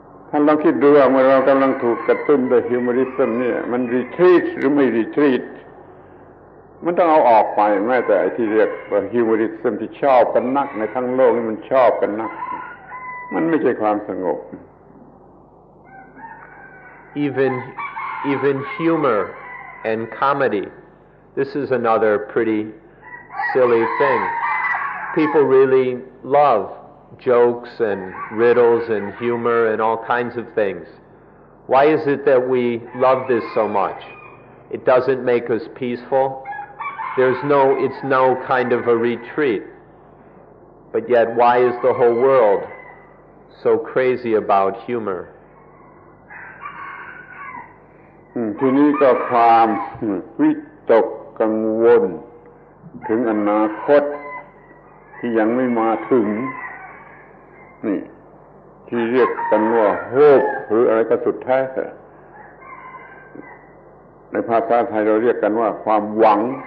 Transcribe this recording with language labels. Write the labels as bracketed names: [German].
[Thai] ท่านลองคิดดูว่าเมื่อเรากำลังถูกกระตุ้นด้วยฮิวมอริสซึมเนี่ยมันรีทรีตหรือไม่รีทรีตมันต้องเอาออกไปแม้แต่ที่เรียกว่าฮิวมอริสซึมที่ชอบกันนักในทั้งโลกนี่มันชอบกันนักมันไม่ใช่ความสงบ [English] even humor and comedy this is another pretty silly thing people really lovejokes and riddles and humor and all kinds of things. Why is it that we love this so much? It doesn't make us peaceful. It's no kind of a retreat. But yet, why is the whole world so crazy about humor? [Thai] ทีนี้ก็ความวิตกกังวลถึงอนาคตที่ยังไม่มาถึงนี่ที่เรียกกันว่าโฮปหรืออะไรก็สุดแท้ในภาษาไทยเราเรียกกันว่าความหวัง